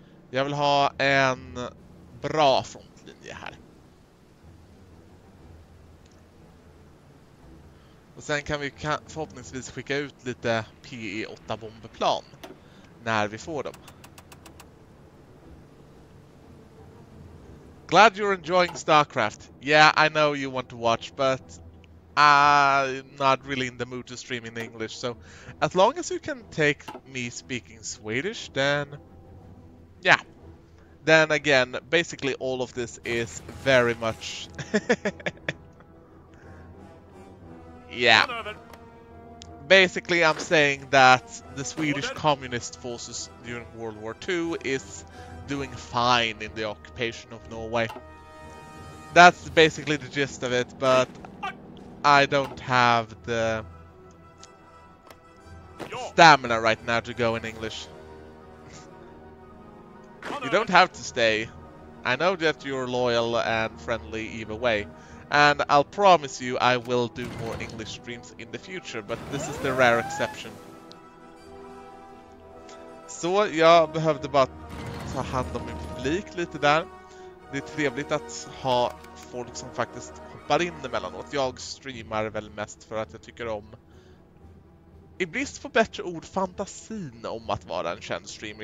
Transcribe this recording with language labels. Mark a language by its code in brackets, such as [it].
[sv] Jag vill ha en bra frontlinje här. Och sen kan vi förhoppningsvis skicka ut lite PE-8-bombplan när vi får dem. [en] Glad you're enjoying StarCraft. Yeah, I know you want to watch, but I'm not really in the mood to stream in English. So as long as you can take me speaking Swedish, then yeah. Then again, basically all of this is very much... yeah. Basically, I'm saying that the Swedish communist forces during World War II is doing fine in the occupation of Norway. That's basically the gist of it, but I don't have the stamina right now to go in English. You don't have to stay. I know that you're loyal and friendly either way. And I'll promise you I will do more English streams in the future, but this is the rare exception. [sv] Så, jag behövde bara ta hand om min publik lite där. Det är trevligt att ha folk som faktiskt hoppar in emellanåt. Jag streamar väl mest för att jag tycker om, i brist på bättre ord, fantasin om att vara en känd streamer.